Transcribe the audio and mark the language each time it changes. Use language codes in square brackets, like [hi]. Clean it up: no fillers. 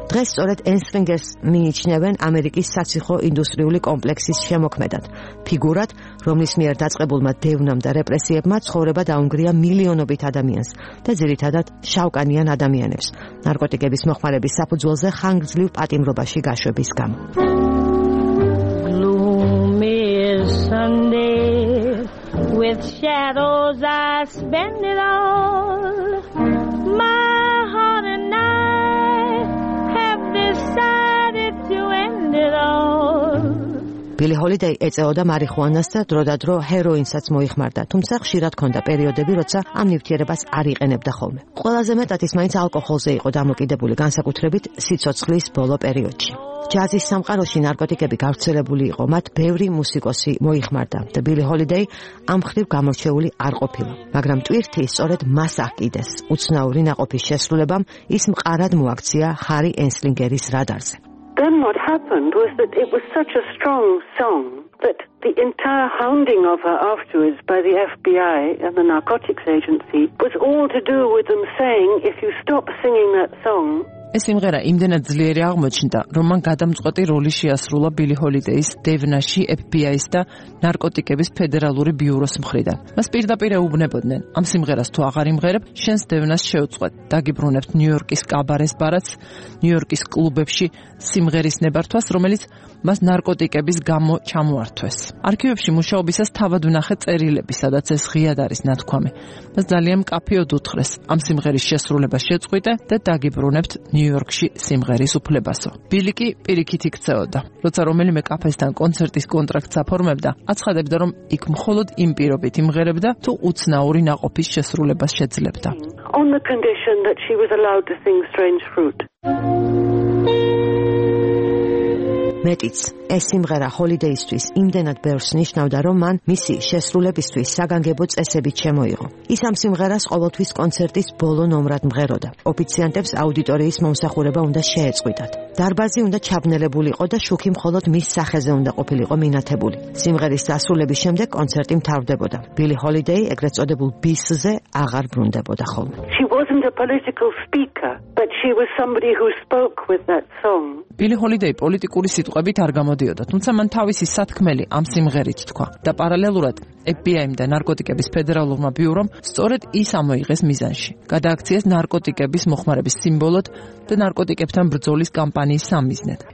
[ka] დღეს სწორედ ენსლინგერს მიიჩნევენ ამერიკის საციხო ინდუსტრიული კომპლექსის შემოქმედად, ფიგურად, რომლის მიერ დაწყებულმა დევნამ და რეპრესიებმა ცხოვრება დაუნგრია მილიონობით ადამიანს და ძირითადად შავკანიან ადამიანებს, ნარკოტიკების მოხმარების საფუძველზე ხანგრძლივ პატიმრობაში გაშვების გამო. [en] Gloomy Sunday with shadows I spend it all. My heart and I have decided to end it all. [ka] ბილი ჰოლიდეი ეწეოდა მარიხუანას და დროდადრო ჰეროინსაც მოიხმარდა, თუმცა ხშირად ჰქონდა პერიოდები, როცა ამ ნივთიერებას არ იყენებდა ხოლმე. ყველაზე მეტად ის მაინც ალკოჰოლზე იყო დამოკიდებული, განსაკუთრებით სიცოცხლის ბოლო პერიოდში. ჯაზის სამყაროში ნარკოტიკები გავრცელებული იყო, მათ ბევრი მუსიკოსი მოიხმარდა და ბილი ჰოლიდეი ამ ხრივ გამორჩეული არ ყოფილა. მაგრამ ტვირთი სწორედ მას აკიდეს. უცნაური ნაყოფის შესრულებამ ის მყარად მოაქცია ჰარი ენსლინგერის რადარზე. [en] Then what happened was that it was such a strong song that the entire hounding of her afterwards by the FBI and the narcotics agency was all to do with them saying, if you stop singing that song, [ka] ეს სიმღერა იმდენად ძლიერი აღმოჩნდა, რომ მან გადამწყვეტი როლი შეასრულა ბილი ჰოლიდეის დევნაში FBI-ს და ნარკოტიკების ფედერალური ბიუროს მხრიდან. მას პირდაპირ ეუბნებოდნენ: ამ სიმღერას თუ აღარ იმღერებ, შენს დევნას შეუწყვეტ. დაგიბრუნებთ ნიუ-იორკის კაბარეს ბარათს, ნიუ-იორკის კლუბებში სიმღერის ნებართვას, რომელიც მას ნარკოტიკების გამო ჩამოართვეს. არქივებში მუშაობისას თავად ვნახე წერილები, სადაც ეს ღიად არის ნათქვამი. მას ძალიან მკაფიოდ უთხრეს: ამ სიმღერის შესრულება შეწყვიტე და დაგიბრუნებთ ნიუ-იორკში სიმღერის უფლებასო. ბილი კი პირიქით იქცეოდა. როცა რომელიმე კაფესთან კონცერტის კონტრაქტს აფორმებდა, აცხადებდა, რომ იქ მხოლოდ იმ პირობით იმღერებდა, თუ უცნაური ნაყოფის შესრულებას შეძლებდა. [en] On the condition that she was allowed to sing Strange Fruit. [ka] მეტიც, ეს სიმღერა ჰოლიდეისთვის იმდენად ბევრს ნიშნავდა, რომ მან მისი შესრულებისთვის საგანგებო წესები ჩემოიღო. ის ამ სიმღერას ყოველთვის კონცერტის ბოლო ნომრად მღეროდა. ოფიციანტებს აუდიტორიის მომსახურება უნდა შეეწყვიტათ. დარბაზი უნდა ჩაბნელებულიყო და შუქი მხოლოდ მის სახეზე უნდა ყოფილიყო მინათებული. სიმღერის დასრულების შემდეგ კონცერტი მთავრდებოდა. ბილი ჰოლიდეი, ეგრეთ წოდებულ ბისზე, აღარ ბრუნდებოდა ხოლმე. [en] Wasn't a political speaker, but she was somebody who spoke with that song. [ka] Billie Holiday პოლიტიკური სიტყვებით არ გამოდიოდა, თუმცა მან თავისი სათქმელი ამ სიმღერით თქვა. და პარალელურად FBI-მ და ნარკოტიკების ფედერალურმა ბიურომ სწორედ ის ამოიღეს მიზანში. გადააქციეს ნარკოტიკების მოხმარების სიმბოლოდ და ნარკოტიკებთან ბრძოლის კამპანიის სამიზნედ.